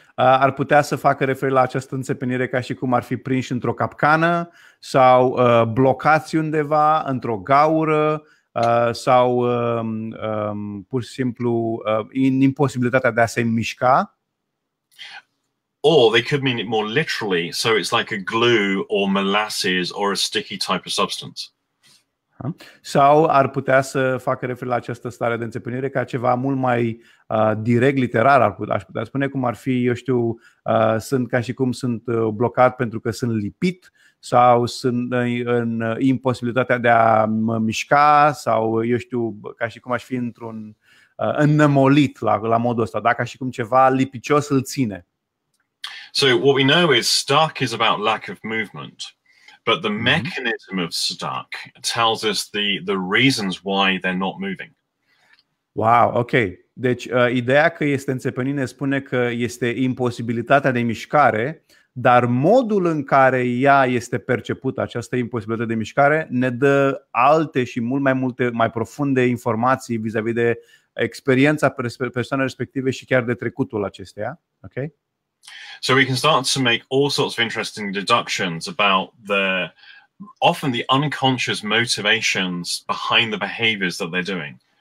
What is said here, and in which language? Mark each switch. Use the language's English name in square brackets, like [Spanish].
[Romanian] Ar putea să facă referire la această înțepenire ca și cum ar fi prinși într-o capcană sau blocați undeva, într-o gaură sau pur și simplu în imposibilitatea de a se mișca. [English] Or they could mean it more literally, so it's like a glue or molasses or a sticky type of substance. [Romanian] Sau ar putea să facă referire la această stare de înțepenire ca ceva mult mai direct, literar, aș putea spune cum ar fi, eu știu, sunt ca și cum sunt blocat pentru că sunt lipit sau sunt în imposibilitatea de a mă mișca sau, eu știu, ca și cum aș fi într-un înnămolit la modul ăsta, dacă și cum ceva lipicios îl ține. [English] So what we know is stuck is about lack of movement, but the mechanism of stuck tells us the reasons why they're not moving. Wow, ok. [Romanian] Deci ideea că este înțepenit ne spune că este imposibilitatea de mișcare, dar modul în care ea este percepută, această imposibilitate de mișcare, ne dă alte și mult mai multe, mai profunde informații vis-a-vis de experiența persoanei respective și chiar de trecutul acesteia. Ok? [English] So we can start to make all sorts of interesting deductions about the often the unconscious motivations behind the behaviors that they're doing.